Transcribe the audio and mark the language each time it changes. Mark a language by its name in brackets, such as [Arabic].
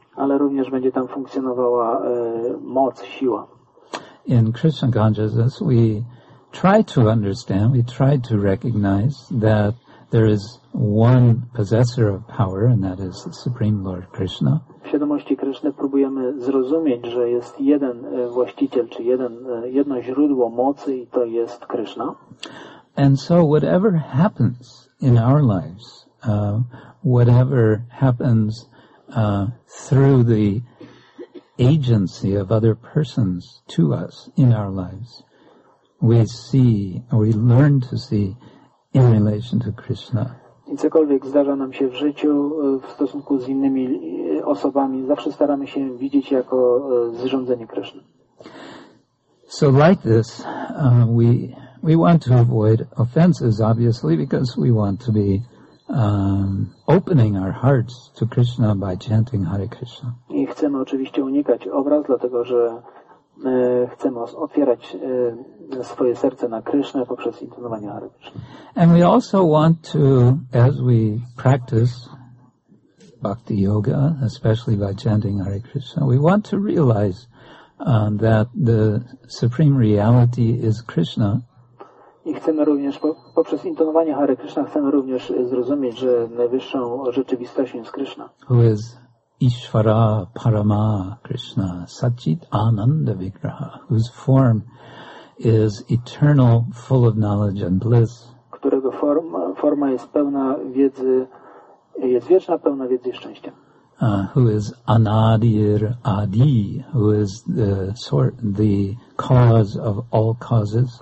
[Polish] Ale również będzie tam funkcjonowała moc, siła. [English] In Krishna consciousness we try to understand, we try to recognize that there is one possessor of power, and that is the Supreme Lord Krishna. [Polish] W świadomości Kryszny próbujemy zrozumieć, że jest jeden właściciel, czy jedno źródło mocy, i to jest Kryszna. [English] And so whatever happens in our lives, whatever happens through the agency of other persons to us in our lives, we see, or we learn to see, in relation to Krishna. [Polish] I cokolwiek zdarza nam się w życiu, w stosunku z innymi osobami, zawsze staramy się widzieć jako zrządzenie Krishna. [English] So like this, we want to avoid offenses, obviously, because we want to be opening our hearts to Krishna by chanting Hare Krishna. [Polish] I chcemy oczywiście unikać obraz, dlatego że chcemy otwierać swoje serce na Krysznę poprzez intonowanie Hare Krishna. [English] And we also want to, as we practice bhakti yoga, especially by chanting Hare Krishna, we want to realize that the supreme reality is Krishna. [Polish] I chcemy również poprzez intonowanie Hare Krishna chcemy również zrozumieć, że najwyższą rzeczywistością jest Krishna. [English] Who is [Sanskrit] Ishvara Parama Krishna Sachit Ananda Vigraha, [English] whose form is eternal, full of knowledge and bliss. [Polish] forma jest pełna wiedzy, jest wieczna, pełna wiedzy i szczęścia. [English] Who is Anadir Adi, who is the cause of all causes.